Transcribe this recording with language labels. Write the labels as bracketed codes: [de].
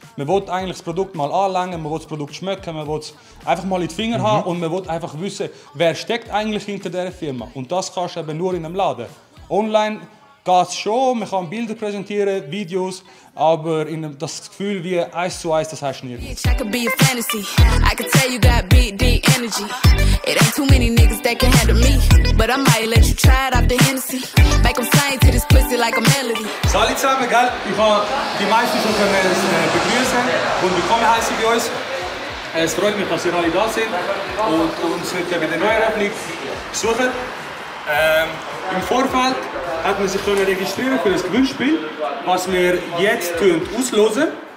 [de] Man will eigentlich das Produkt mal anlangen, man will das Produkt schmecken, man will es einfach mal in die Finger haben und man will einfach wissen, wer steckt eigentlich hinter dieser Firma. Und das kannst du eben nur in einem Laden. Online geht es schon, man kann Bilder präsentieren, Videos, aber in das Gefühl wie 1:1, das hast du nirgends. [en] I can tell you got big D energy. It ain't too many niggas that can handle me. But I might let you try it out the Hennessy. Make them sing to this pussy like a melody. [de] Salut zusammen, gell? Ich habe die meisten schon können begrüßen und willkommen heißen bei uns. Es freut mich, dass ihr alle da seid und uns heute bei der Neueröffnung besuchen. Im Vorfeld hat man sich können registrieren für das Gewinnspiel, was wir jetzt auslösen.